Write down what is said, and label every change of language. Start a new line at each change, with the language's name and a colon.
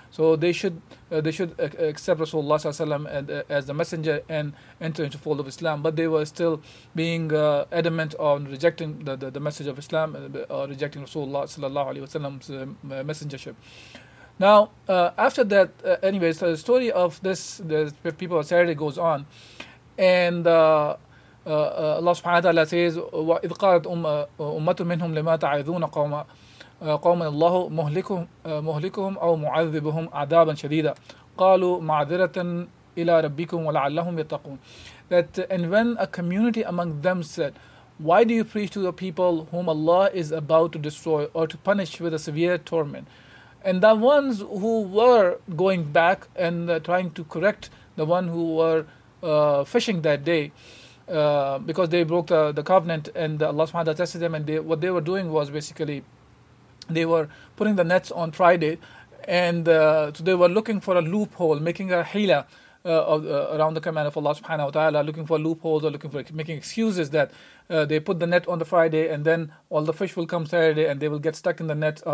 English: So they should accept Rasulullah sallallahu alaihi wasallam as the messenger and enter into the fold of Islam. But they were still being adamant on rejecting the message of Islam, rejecting Rasulullah sallallahu alaihi wasallam's messengership. Now, after that, anyway, so the story of the people of Saturday goes on. And Allah subhanahu wa ta'ala says,
Arabic: وَإِذْ قَالَتْ أُمَّةٌ مِّنْهُمْ لِمَا تَعِذُونَ قَوْمًا قوم الله مهلكهم أو معذبهم عذابا شديدا قالوا معذرة إلى ربكم ولعلهم يتقون.
English: That and when a community among them said, why do you preach to the people whom Allah is about to destroy or to punish with a severe torment? And the ones who were going back and trying to correct the one who were fishing that day, because they broke the covenant, and Allah subhanahu wa ta'ala tested them, and what they were doing was basically they were putting the nets on Friday, and so they were looking for a loophole, making a hila around the command of Allah subhanahu wa ta'ala, looking for loopholes or looking for making excuses that they put the net on the Friday and then all the fish will come Saturday and they will get stuck in the net.